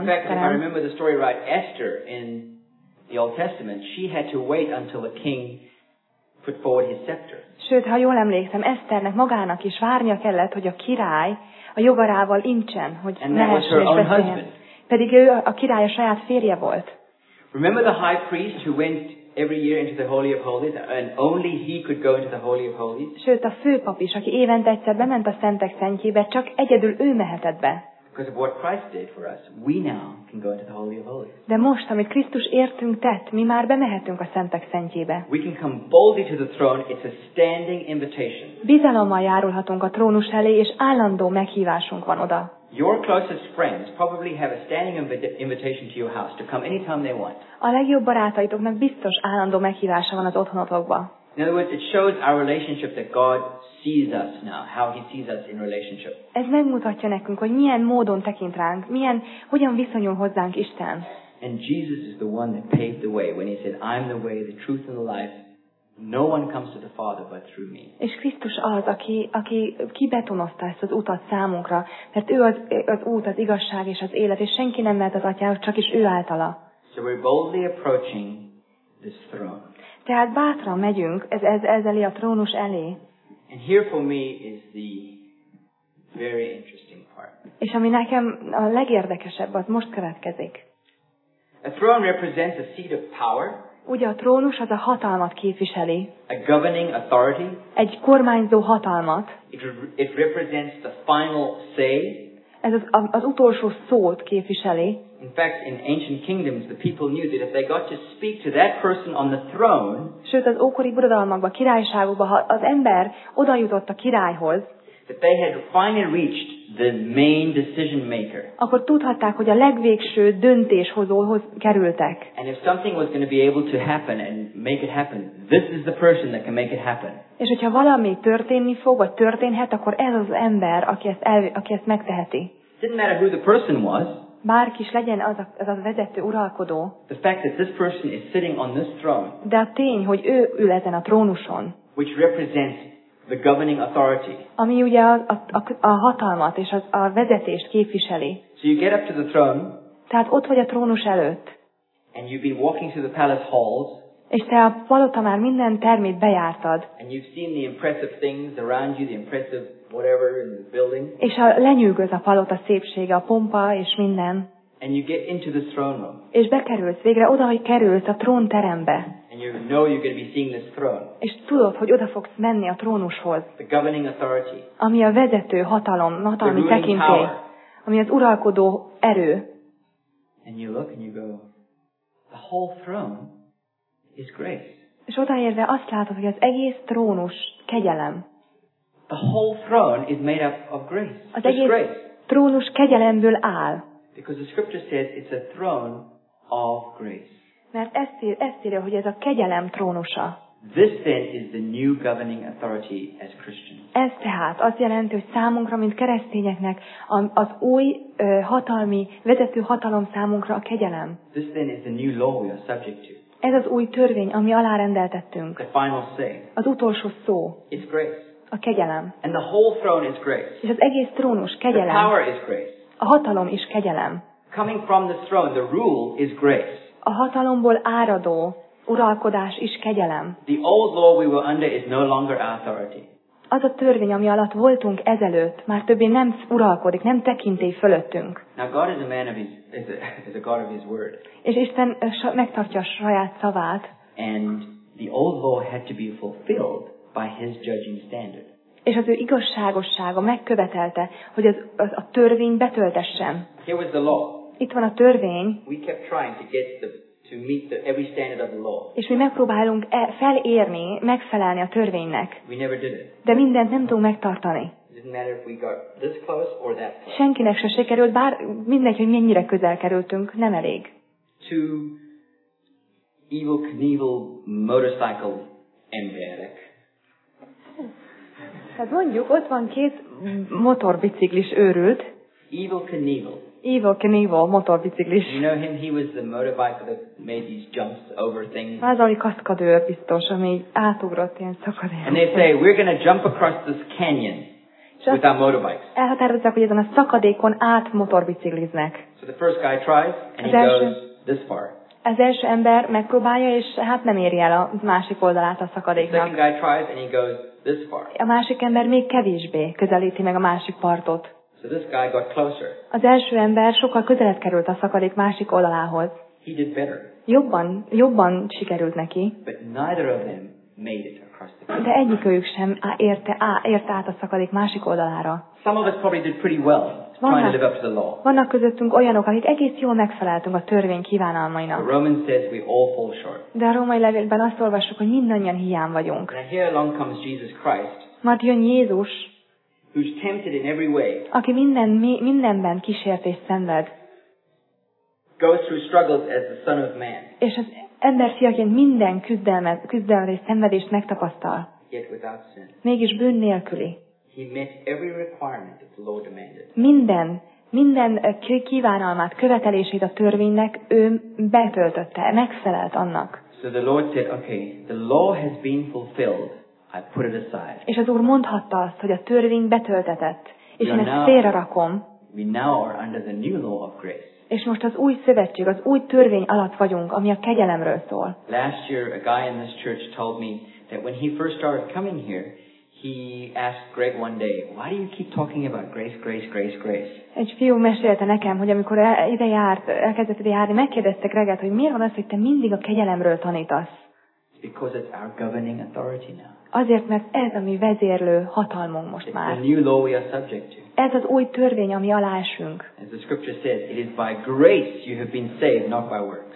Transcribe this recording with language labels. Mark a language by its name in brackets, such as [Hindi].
[English] In fact, if I remember the story right, Esther in the Old Testament, she had to wait until the king put forward his scepter. [Hungarian] Sőt, ha jól emlékszem, Eszternek magának is várnia kellett, hogy a király a jogarával incsen, hogy ne lehessen és beszéljen. Pedig ő a király a saját férje volt. [English] Remember the high priest who went every year into the Holy of Holies, and only he could go into the Holy of Holies. [Hungarian] Sőt, a főpap is, aki évente egyszer bement a Szentek Szentjébe, csak egyedül ő mehetett be. [English] Because of what Christ did for us, we now can go into the Holy of Holies. [Hungarian] De most, amit Krisztus értünk tett, mi már bemehetünk a Szentek Szentjébe. [English] We can come boldly to the throne. It's a standing invitation. [Hungarian] Bizalommal járulhatunk a trónus elé, és állandó meghívásunk van oda. [English] Your closest friends probably have a standing invitation to your house to come anytime they want. [Hungarian] A legjobb barátaitoknak biztos állandó meghívása van az otthonotokba. [English] In other words, it shows our relationship that God sees us now, how He sees us in relationship. [Hungarian] Ez megmutatja nekünk, hogy milyen módon tekint ránk, hogyan viszonyul hozzánk Isten. [English] And Jesus is the one that paved the way when He said, "I'm the way, the truth, and the life. No one comes to the Father but through me." [Hungarian] És Krisztus az, aki kibetonozta ezt az utat számunkra, mert ő az út, az igazság és az élet, és senki nem mehet az Atyához, csak is ő általa. [English] So we're boldly approaching this throne. [Hungarian] Tehát bátran megyünk ez elé, a trónus elé. [English] And here for me is the very interesting part. [Hungarian] És ami nekem a legérdekesebb, az most következik. [English] A throne represents a seat of power. [Hungarian] Ugye a trónus az a hatalmat képviseli. [English] A governing authority. [Hungarian] Egy kormányzó hatalmat. [English] It represents the final say. [Hungarian] Ez az utolsó szót képviseli. [English] In fact, in ancient kingdoms, the people knew that if they got to speak to that person on the throne. [Hungarian] Sőt, az ókori birodalmakban, királyságokban, ha az ember odajutott a királyhoz, [English] that they had finally reached the main decision maker. [Hungarian] Akkor tudhatták, hogy a legvégső döntéshozóhoz kerültek. [English] And if something was going to be able to happen and make it happen, this is the person that can make it happen. [Hungarian] És hogyha valami történni fog, vagy történhet, akkor ez az ember, aki ezt megteheti. [English] Didn't matter who the person was. [Hungarian] Bárki is legyen az a vezető, uralkodó. [English] The fact that this person is sitting on this throne. [Hungarian] De a tény, hogy ő ül ezen a trónuson. [English] Which represents the governing authority. [Hungarian] Ami ugye a hatalmat és a vezetést képviseli. [English] So you get up to the throne. [Hungarian] Tehát ott vagy a trónus előtt. [English] And you've been walking through the palace halls. [Hungarian] És te a palota már minden termét bejártad. [English] And you've seen the impressive things around you, the impressive whatever in the building. [Hungarian] És lenyűgöz a palota szépsége, a pompa és minden. [English] And you get into the throne room. [Hungarian] És bekerülsz végre oda, hogy kerülsz a trónterembe. [English] And you know you're going to be seeing this throne. [Hungarian] És tudod, hogy oda fogsz menni a trónushoz. [English] The governing authority. [Hungarian] Ami a vezető hatalmi tekintély. Ami az uralkodó erő. [English] And you look and you go, the whole throne is grace. [Hungarian] És odaérve azt látod, hogy az egész trónus kegyelem. [English] The whole throne is made up of grace. [Hungarian] Az egész trónus kegyelemből áll. [English] Because the scripture says it's a throne of grace. [Hungarian] Mert ezt írja, hogy ez a kegyelem trónusa. [English] This then is the new governing authority as Christians. [Hungarian] Ez tehát azt jelenti, hogy számunkra, mint keresztényeknek, az új hatalmi, vezető hatalom számunkra a kegyelem. [English] This then is the new law we are subject to. [Hungarian] Ez az új törvény, ami alárendeltettünk. [English] The final say. [Hungarian] Az utolsó szó. [English] It's grace. [Hungarian] A kegyelem. [English] And the whole throne is grace. [Hungarian] És az egész trónus kegyelem. [English] The power is grace. [Hungarian] A hatalom is kegyelem. [English] Coming from the throne, the rule is grace. [Hungarian] A hatalomból áradó uralkodás is kegyelem. [English] The old law we were under is no longer our authority. [Hungarian] Az a törvény, ami alatt voltunk ezelőtt, már többé nem uralkodik, nem tekintély fölöttünk. [English] Now God is a man of his, is a God of his word. [Hungarian] És Isten megtartja a saját szavát. [English] And the old law had to be fulfilled by his judging standard. [Hungarian] És az ő igazságossága megkövetelte, hogy a törvény betöltessem. [English] Here was the law. [Hungarian] Itt van a törvény. [English] We kept trying to get the to meet the every standard of the law. [Hungarian] És mi megpróbálunk felérni, megfelelni a törvénynek. [English] We never did it. [Hungarian] De mindent nem tudunk megtartani. [English] It didn't matter if we got this close or that close. [Hungarian] Senkinek se sikerült, bár mindegy, hogy mennyire közel kerültünk, nem elég. [English] To Evil Knievel motorcycle [Hungarian] emberek. Hát mondjuk, ott van két motorbiciklis őrült. [English] Evil Knievel. [Hungarian] Evil Knievel motorbiciklis. [English] You know him? He was the motorbike that made these jumps over things. [Hungarian] Az a kaszkadőr biztos, ami átugrott ilyen szakadékot. [English] And they say, we're going to jump across this canyon with our motorbikes. [Hungarian] Elhatározzák, hogy ezen a szakadékon át motorbicikliznek. [English] So the first guy tries, and he goes this far. [Hungarian] Az első ember megpróbálja, és hát nem éri el a másik oldalát a szakadéknak. [English] The second guy tries, and he goes this far. [Hungarian] A másik ember még kevésbé közelíti meg a másik partot. [English] So this guy got closer. [Hungarian] Az első ember sokkal közelebb került a szakadék másik oldalához. [English] He did better. [Hungarian] Jobban sikerült neki. [English] But neither of them made it across the [Hungarian] De egyikőjük sem érte át a szakadék másik oldalára. [English] Some of us probably did pretty well. Trying to live up to the law. [Hungarian] Vannak közöttünk olyanok, akik egész jól megfeleltünk a törvény kívánalmainak. [English] The Romans says we all fall short. [Hungarian] De a római levélben azt olvassuk, hogy mindannyian hiány vagyunk. [English] Now here along comes Jesus Christ. [Hungarian] Mert jön Jézus. [English] Who's tempted in every way. [Hungarian] Aki mindenben kísértés szenved. [English] Goes through struggles as the Son of Man. [Hungarian] És az ember fiaként minden küzdelmet és szenvedést megtapasztal. [English] Yet without sin. [Hungarian] Mégis bűn nélküli. [English] He met every requirement that the law demanded. [Hungarian] Minden kívánalmát, követelését a törvénynek ő betöltötte, megfelelt annak. [English] So the Lord said, okay, the law has been fulfilled. I put it aside. [Hungarian] És az Úr mondhatta azt, hogy a törvény betöltetett, és én ezt félre rakom. [English] We now are under the new law of grace. [Hungarian] És most az új szövetség, az új törvény alatt vagyunk, ami a kegyelemről szól. [English] Last year a guy in this church told me that when he first started coming here, he asked Greg one day, why do you keep talking about grace, grace, grace, grace? [Hungarian] Egy fiú mesélte nekem, hogy amikor ide járt, elkezdett ide járni, megkérdezte Greget, hogy miért van az, hogy te mindig a kegyelemről tanítasz? [English] Because it's our governing authority now. [Hungarian] Azért, mert ez a mi vezérlő hatalmunk most [English] it's [Hungarian] már. [English] The new law we are subject to. [Hungarian] Ez az új törvény, ami alá esünk. [English] As the scripture says, it is by grace you have been saved, not by works.